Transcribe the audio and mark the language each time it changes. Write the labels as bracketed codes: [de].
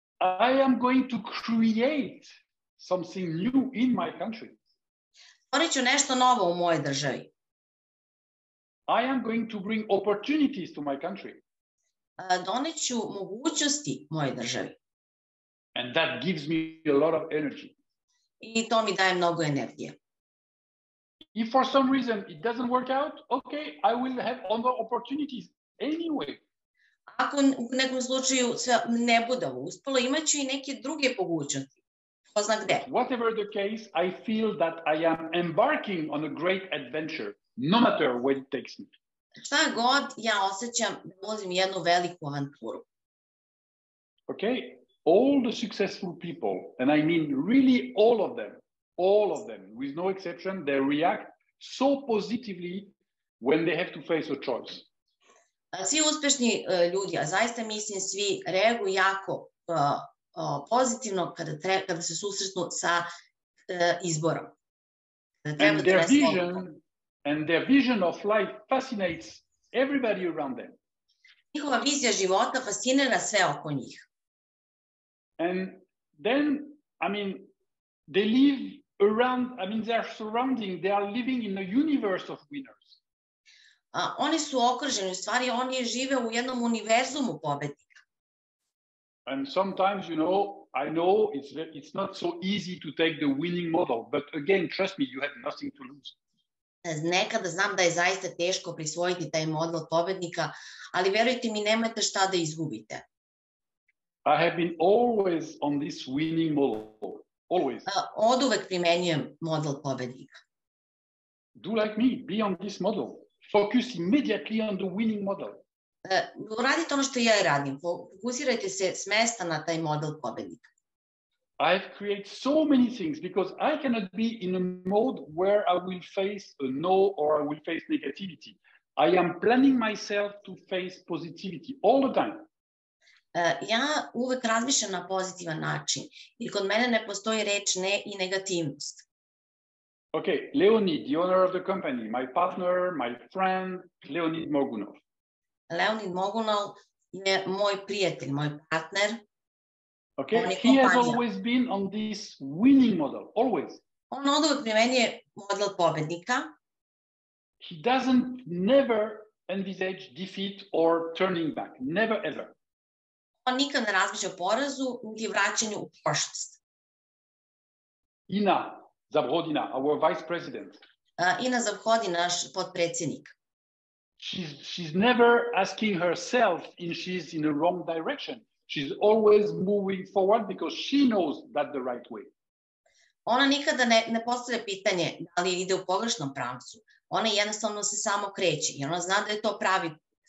[en] I am going to create something new in my country. [sr] Stvoriću nešto novo u mojoj državi. [en] I am going to bring opportunities to my country. [sr] Doneću mogućnosti mojoj državi. [en] And that gives me a lot of energy. [sr] I to mi daje mnogo energije. [en] If for some reason it doesn't work out, okay, I will have other opportunities anyway. [sr] Ako u nekom slučaju se ne bude uspelo, imaću i neke druge mogućnosti. Ko zna gde. [en] Whatever the case, I feel that I am embarking on a great adventure, no matter where it takes me. [sr] Šta god, ja osjećam da ulazim jednu veliku avanturu. [en] Okay, all the successful people, and I mean really all of them, with no exception, they react so positively when they have to face a choice. [sr] Svi uspešni ljudi, a zaista mislim svi, reaguju jako pozitivno kada se susretnu sa izborom. [en] And their vision of life fascinates everybody around them. [sr] Njihova vizija života fascinira sve oko njih. [en] And then, I mean, they live around, I mean, they are surrounding, they are living in a universe of winners. [sr] Oni su okruženi, u stvari oni žive u jednom univerzumu pobednika. [en] And sometimes, you know, I know it's not so easy to take the winning model, but again, trust me, you have nothing to lose. [sr] Nekada znam da je zaista teško prisvojiti taj model pobednika, ali verujte mi, nemate šta da izgubite. [en] I have been always on this winning model, always. [sr] Oduvek primenjujem model pobednika. [en] Do like me, be on this model. Focus immediately on the winning model. [sr] Radite ono što ja radim. Fokusirajte se smesta na taj model pobednika. [en] I have created so many things because I cannot be in a mode where I will face a no or I will face negativity. I am planning myself to face positivity all the time. [sr] Ja uvek razmišljam na pozitivan način. I kod mene ne postoji reč ne i negativnost. [en] Okay, Leonid, the owner of the company, my partner, my friend, Leonid Mogunov. [sr] Leonid Mogunov je moj prijatelj, moj partner. [en] Okay, he has always been on this winning model, always. [sr] On oduvek primenjuje model pobednika. [en] He doesn't never envisage defeat or turning back, never ever. [sr] On nikad ne razmišlja o porazu niti vraćanju u prošlost. [en] Ina Zabhodina, our vice president. [sr] Ina Zabhodina, naš potpredsjednik. [en] She's never asking herself if she's in the wrong direction. She's always moving forward because she knows that the right way. [sr] Ona nikada ne postavlja pitanje da li ide u pogrešnom pravcu. Ona jednostavno se samo kreće i ona zna da je to pravi put.